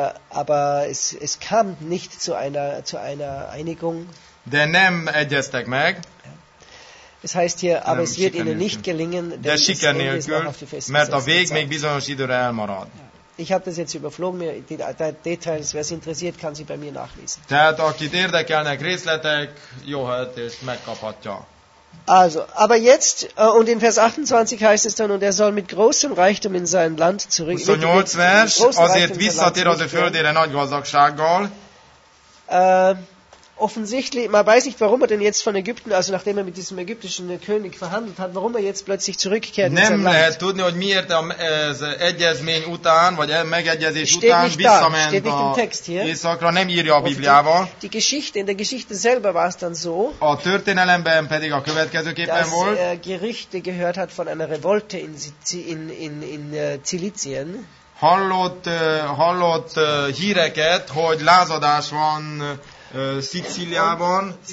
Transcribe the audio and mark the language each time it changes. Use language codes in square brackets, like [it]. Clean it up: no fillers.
[de] Aber es kam nicht zu einer Einigung. [hu] De nem egyeztek meg. [de] Es heißt hier, aber [hu] nem, [de] es wird ihnen nicht gelingen, denn [hu] de siker nélkül, mert a vég még bizonyos időre elmarad. Ja. [de] Ich habe das jetzt überflogen, mir die Details, wer es interessiert, kann sie bei mir nachlesen. [hu] Tehát, akit érdekelnek részletek, jó helyetést megkaphatja. [de] Also, aber jetzt, und in Vers 28 heißt es dann, und er soll mit großem Reichtum in sein Land zurück. [hu] 28 vers, azért visszatér az ő földére nagy gazdagsággal. [de] Offensichtlich, man weiß nicht, warum er denn jetzt von Ägypten, also nachdem er mit diesem ägyptischen König verhandelt hat, warum er jetzt plötzlich zurückkehrt in sein Land. [hu] Nem lehet tudni, hogy miért az egyezmény után, vagy megegyezés után visszament Északra, nem írja a Bibliával. [de] Die Geschichte, in der Geschichte selber war es dann so, [hu] a történelemben pedig a következőképpen volt, [de] dass er Gerüchte gehört hat von einer Revolte in Cilicien. [hu] Hallott híreket, hogy lázadás van Sicíliában,